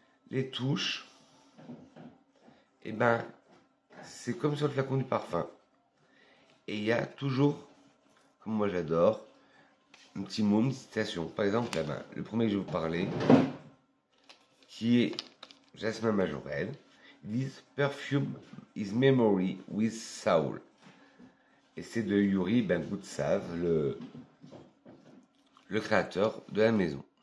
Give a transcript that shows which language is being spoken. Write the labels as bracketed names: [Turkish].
[French] Les touches, eh ben, c'est comme sur le flacon du parfum. Et il y a toujours, comme moi j'adore, un petit mot, une citation. Par exemple, là, ben, le premier que je vais vous parler, qui est Jasmin Majorel. [English] This perfume is memory with soul. [French] Et c'est de Yuri Bengoutsav, le créateur de la maison.